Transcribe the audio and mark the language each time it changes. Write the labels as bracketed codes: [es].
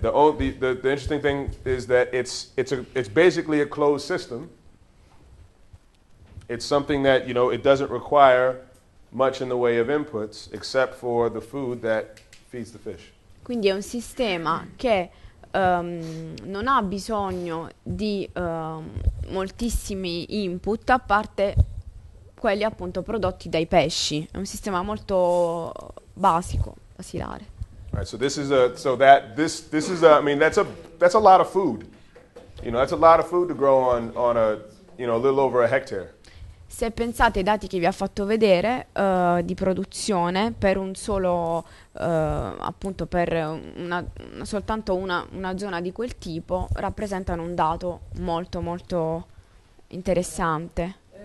[en] The interesting thing is that it's basically a closed system. It's something that, you know, it doesn't require much in the way of inputs except for the food that feeds the fish. [it] Quindi è un sistema che non ha bisogno di moltissimi input a parte quelli appunto prodotti dai pesci. È un sistema molto basico, basilare. [en] Right, so this is a so that this this is a, I mean that's a lot of food. You know, that's a lot of food to grow on a, you know, a little over a hectare. [it] Se pensate ai dati che vi ha fatto vedere di produzione per un solo appunto per una soltanto una zona di quel tipo, rappresentano un dato molto molto interessante.